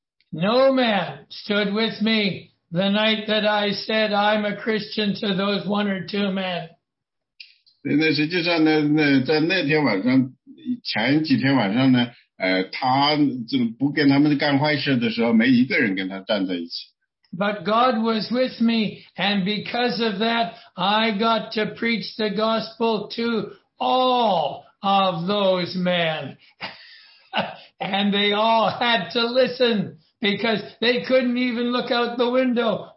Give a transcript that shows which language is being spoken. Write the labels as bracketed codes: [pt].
[en] No man stood with me the night that I said I'm a Christian to those one or two men. [zh] 所以呢，实际上呢，在那天晚上，前几天晚上呢，他就不跟他们干坏事的时候，没一个人跟他站在一起。 [en] But God was with me, and because of that, I got to preach the gospel to all of those men. And they all had to listen because they couldn't even look out the window.